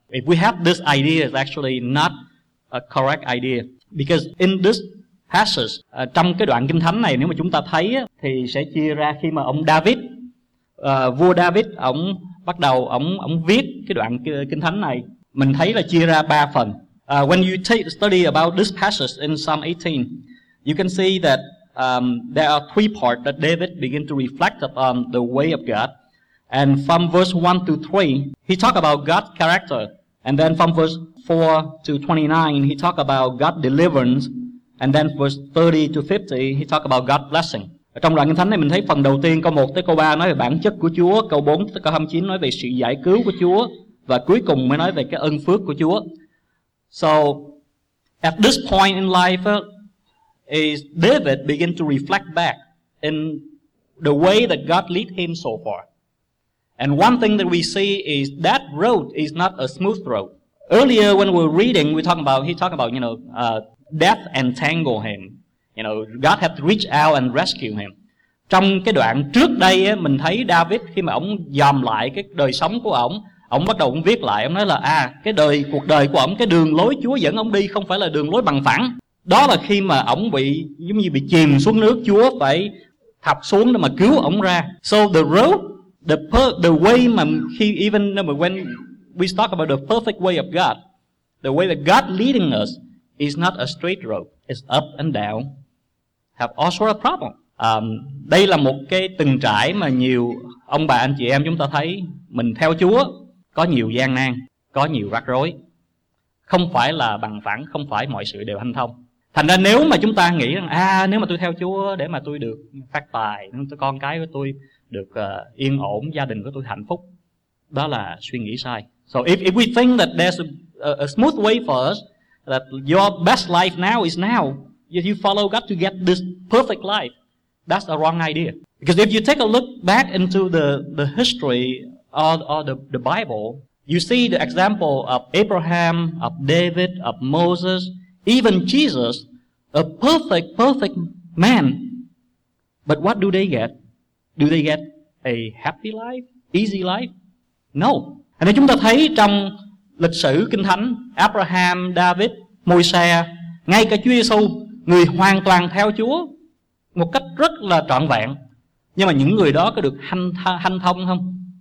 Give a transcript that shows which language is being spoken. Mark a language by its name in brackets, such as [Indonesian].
[English] If we have this idea, it's actually not a correct idea. Because in this passage, [Vietnamese] trong cái đoạn Kinh Thánh này, nếu mà chúng ta thấy thì sẽ chia ra khi mà ông David, vua David, ông bắt đầu, ông viết cái đoạn Kinh Thánh này. Mình thấy là chia ra 3 phần. [English] When you study about this passage in Psalm 18, you can see that there are three parts that David begin to reflect upon the way of God. And from verse 1 to 3, he talk about God's character. And then from verse 4 to 29, he talk about God's deliverance. And then verse 30 to 50, he talk about God's blessing. [Vietnamese] Ở trong đoạn Kinh Thánh này mình thấy phần đầu tiên câu 1 tới câu 3 nói về bản chất của Chúa, câu 4 tới câu 29 nói về sự giải cứu của Chúa, và cuối cùng mới nói về cái ân phước của Chúa. [English] So, at this point in life, is David begin to reflect back in the way that God lead him so far. And one thing that we see is that road is not a smooth road. Earlier when we were reading, he talked about, you know, death entangle him. You know, God had to reach out and rescue him. [Vietnamese] Trong cái đoạn trước đây, mình thấy David khi mà ông dòm lại cái đời sống của ông, ông bắt đầu ông viết lại, ông nói là cuộc đời của ông, cái đường lối Chúa dẫn ông đi không phải là đường lối bằng phẳng. Đó là khi mà ông bị giống như bị chìm xuống nước, Chúa phải thập xuống để mà cứu ông ra. [English] So the road, the way [Vietnamese] mà khi [English] even when we talk about the perfect way of God, the way that God leading us is not a straight road. It's up and down. Have all sort of problem. [Vietnamese] Đây là một cái từng trải mà nhiều ông bà anh chị em chúng ta thấy. Mình theo Chúa có nhiều gian nan, có nhiều rắc rối. Không phải là bằng phẳng, không phải mọi sự đều hanh thông. Thành ra nếu mà chúng ta nghĩ rằng nếu mà tôi theo Chúa để mà tôi được phát tài, con cái của tôi được yên ổn, gia đình của tôi hạnh phúc, đó là suy nghĩ sai. [English] So if we think that there's a smooth way for us, that your best life now is now, if you follow God to get this perfect life, that's a wrong idea. Because if you take a look back into the history or the Bible, you see the example of Abraham, of David, of Moses, even Jesus, a perfect man. But what do they get? Do they get a happy life, easy life? No. And then [Vietnamese] chúng ta thấy trong lịch sử Kinh Thánh, Abraham, David, Môi-se, ngay cả Chúa Giê-xu, người hoàn toàn theo Chúa một cách rất là trọn vẹn. Nhưng mà những người đó có được hanh thông không?